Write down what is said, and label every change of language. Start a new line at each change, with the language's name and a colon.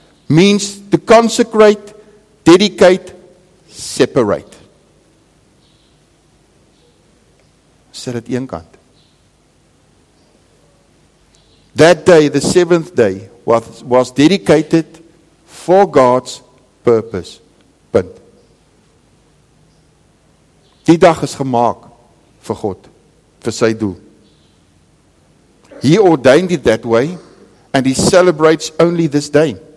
English: means to consecrate, dedicate, separate.
Afrikaans: Sit at een kant.
English: That day, the seventh day, was dedicated for God's purpose.
Afrikaans: Punt. Die dag is gemaak vir God, vir sy doel.
English: He ordained it that way, and he celebrates only this day.